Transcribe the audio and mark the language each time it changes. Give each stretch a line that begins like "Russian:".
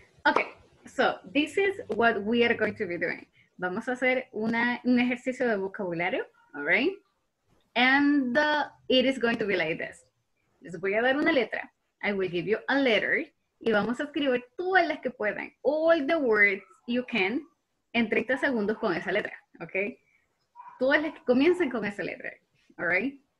English: Okay, so this is what we are going to be doing.
Spanish: Vamos a hacer un ejercicio de vocabulario,
English: all right? And it is going to be like this.
Spanish: Les voy a dar una letra.
English: I will give you a letter.
Spanish: Y vamos a escribir todas las que puedan.
English: All the words you can
Spanish: en 30 segundos con esa letra, okay? Todas las que comiencen con esa letra,
English: all right?